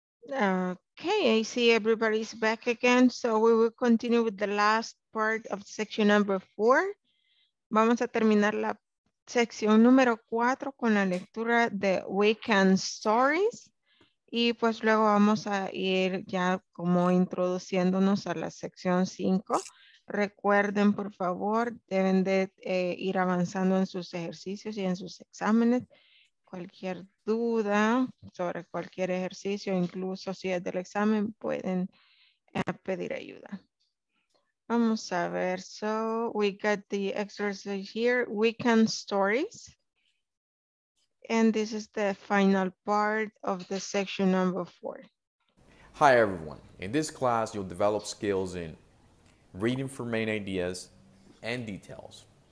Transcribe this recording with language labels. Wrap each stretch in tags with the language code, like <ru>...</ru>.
<en>Okay, I see everybody's back again. So we will continue with the last part of section number 4.</en> <es>Vamos a terminar la sección número 4 con la lectura de weekend stories. Y pues luego vamos a ir ya como introduciéndonos a la sección 5. Recuerden, por favor, deben de ir avanzando en sus ejercicios y en sus exámenes. Cualquier duda sobre cualquier ejercicio, incluso si es del examen, pueden pedir ayuda. Vamos a ver.</es> <en>So we got the exercise here, weekend stories. And this is the final part of the section number 4. Hi, everyone. In this class, you'll develop skills in reading for main ideas and details.</en>